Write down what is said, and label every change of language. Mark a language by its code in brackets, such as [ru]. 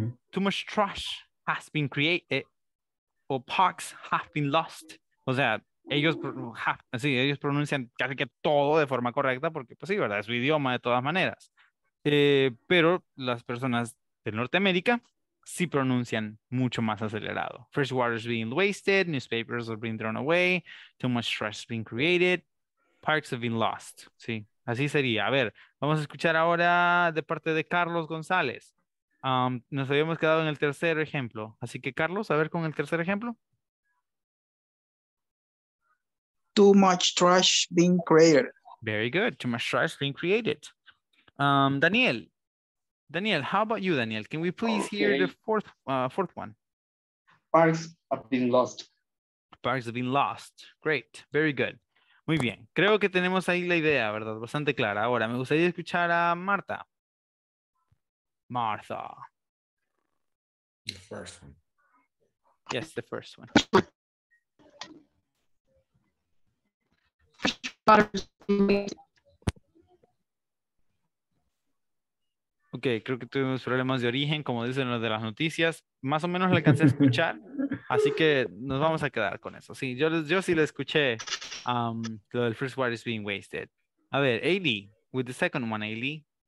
[en] Too much trash has been created, or parks have been lost. [es] O sea, ellos pronuncian casi que todo de forma correcta, porque pues sí, ¿verdad? Es su idioma de todas maneras. Pero las personas de Norteamérica sí pronuncian mucho más acelerado. [en] Fresh water is being wasted, newspapers are being thrown away, too much trash has been created, parks have been lost. [es] Sí, así sería. A ver, vamos a escuchar ahora de parte de Carlos González. Nos habíamos quedado en el tercer ejemplo. Así que, Carlos, a ver con el tercer ejemplo. [en] Too much trash being created. Very good. Too much trash being created. Daniel. Daniel, how about you, Daniel? Can we please hear the fourth one? Parks have been lost. Parks have been lost. Great. Very good. [es] Muy bien. Creo que tenemos ahí la idea, ¿verdad? Bastante clara. Ahora, me gustaría escuchar a Marta. Martha. [en] The first one. Yes, the first one. [es] Ok, creo que tuvimos problemas de origen, como dicen los de las noticias. Más o menos le alcancé a escuchar, así que nos vamos a quedar con eso. Sí, yo sí le escuché lo del [en] first word is being wasted. [es] A ver, [en] Ailey, with the second one, Ailey.